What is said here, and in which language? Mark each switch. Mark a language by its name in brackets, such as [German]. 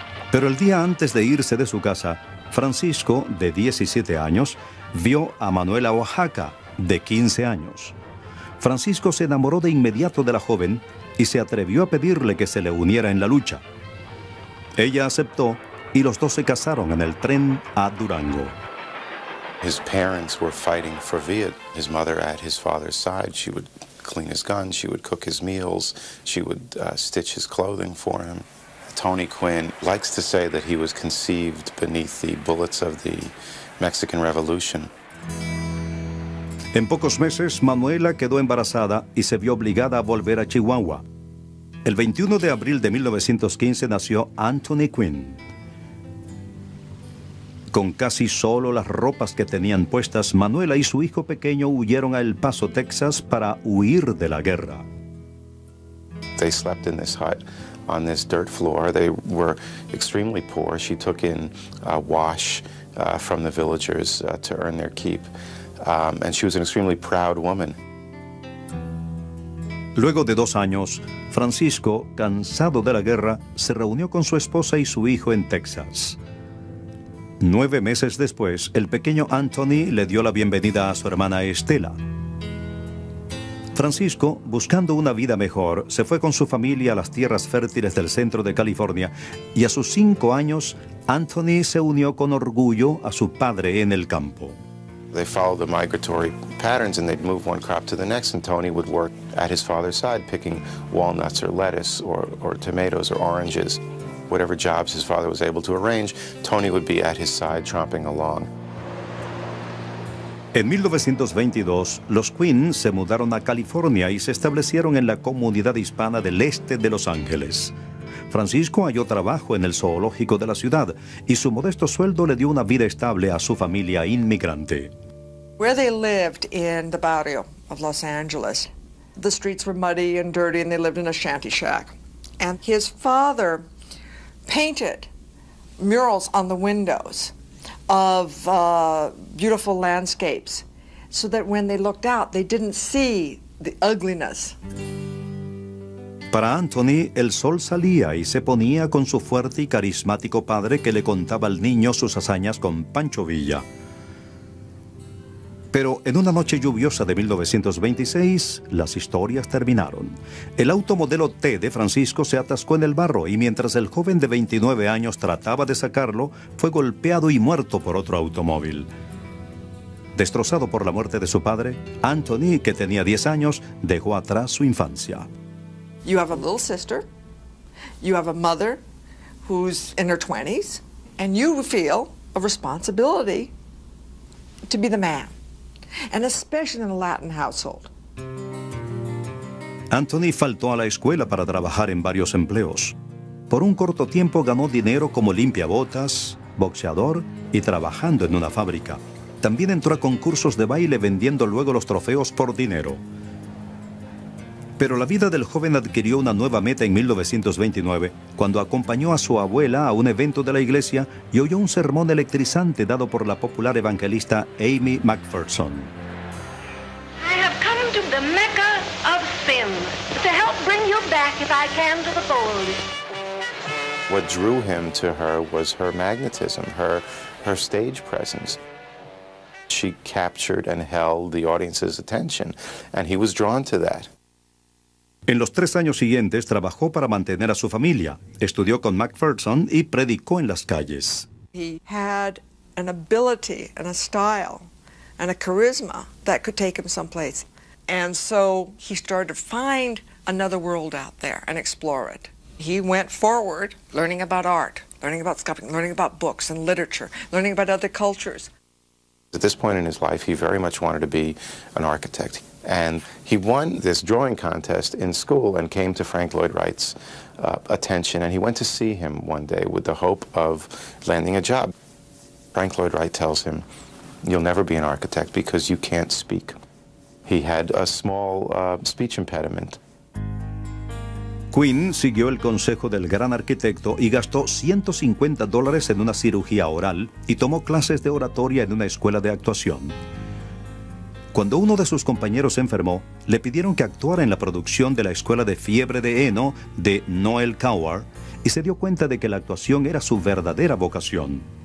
[Spanish] Pero el día antes de irse de su casa, Francisco, de 17 años, vio a Manuela Oaxaca, de 15 años. Francisco se enamoró de inmediato de la joven y se atrevió a pedirle que se le uniera en la lucha. Ella aceptó y los dos se casaron en el tren a Durango. [English] His parents were fighting for Viet. His mother at his father's side. She would clean his gun, she would cook his meals, she would stitch his clothing for him. Tony Quinn likes to say that he was conceived beneath the bullets of the Mexican Revolution. [Spanish] En pocos meses, Manuela quedó embarazada y se vio obligada a volver a Chihuahua. El 21 de abril de 1915 nació Anthony Quinn. Con casi solo las ropas que tenían puestas, Manuela y su hijo pequeño huyeron a El Paso, Texas, para huir de la guerra. [English] They slept in this hut on this dirt floor. They were extremely poor. She took in a wash from the villagers to earn their keep. And she was an extremely proud woman. [Spanish] Luego de 2 años, Francisco, cansado de la guerra, se reunió con su esposa y su hijo en Texas. 9 meses después, el pequeño Anthony le dio la bienvenida a su hermana Estela. Francisco, buscando una vida mejor, se fue con su familia a las tierras fértiles del centro de California y a sus 5 años, Anthony se unió con orgullo a su padre en el campo. [English] They followed the migratory patterns and they'd move one crop to the next, and Tony would work at his father's side picking walnuts or lettuce or tomatoes or oranges. Whatever jobs his father was able to arrange, Tony would be at his side tromping along. [Spanish] En 1922, los Quinn se mudaron a California y se establecieron en la comunidad hispana del este de Los Ángeles. Francisco halló trabajo en el zoológico de la ciudad y su modesto sueldo le dio una vida estable a su familia inmigrante. [English] Where they lived in the barrio of Los Angeles, the streets were muddy and dirty, and they lived in a shanty shack. And his father painted murals on the windows of beautiful landscapes, so that when they looked out, they didn't see the ugliness. [Spanish] Para Anthony, el sol salía y se ponía con su fuerte y carismático padre que le contaba al niño sus hazañas con Pancho Villa. Pero en una noche lluviosa de 1926, las historias terminaron. El automodelo T de Francisco se atascó en el barro y mientras el joven de 29 años trataba de sacarlo, fue golpeado y muerto por otro automóvil. Destrozado por la muerte de su padre, Anthony, que tenía 10 años, dejó atrás su infancia. [English] You have a little sister, you have a mother who's in her 20s, and you feel a responsibility to be the man, and especially in a Latin household. [Spanish] Anthony faltó a la escuela para trabajar en varios empleos. Por un corto tiempo ganó dinero como limpiabotas, boxeador y trabajando en una fábrica. También entró a concursos de baile vendiendo luego los trofeos por dinero. Pero la vida del joven adquirió una nueva meta en 1929, cuando acompañó a su abuela a un evento de la iglesia y oyó un sermón electrizante dado por la popular evangelista Amy McPherson. [English] I have come to the Mecca of sin to help bring you back if I can to the fold. What drew him to her was her magnetism, her stage presence. She captured and held the audience's attention, and he was drawn to that. [Spanish] En los tres años siguientes trabajó para mantener a su familia, estudió con McPherson y predicó en las calles. [English] He had an ability and a style and a charisma that could take him someplace. And so he started to find another world out there and explore it. He went forward learning about art, learning about sculpting, learning about books and literature, learning about other cultures. At this point in his life, he very much wanted to be an architect. And he won this drawing contest in school and came to Frank Lloyd Wright's attention. And he went to see him one day with the hope of landing a job. Frank Lloyd Wright tells him, you'll never be an architect because you can't speak. He had a small speech impediment. [Spanish] Quinn siguió el consejo del gran arquitecto y gastó $150 en una cirugía oral y tomó clases de oratoria en una escuela de actuación. Cuando uno de sus compañeros se enfermó, le pidieron que actuara en la producción de la Escuela de Fiebre de Heno de Noel Coward y se dio cuenta de que la actuación era su verdadera vocación.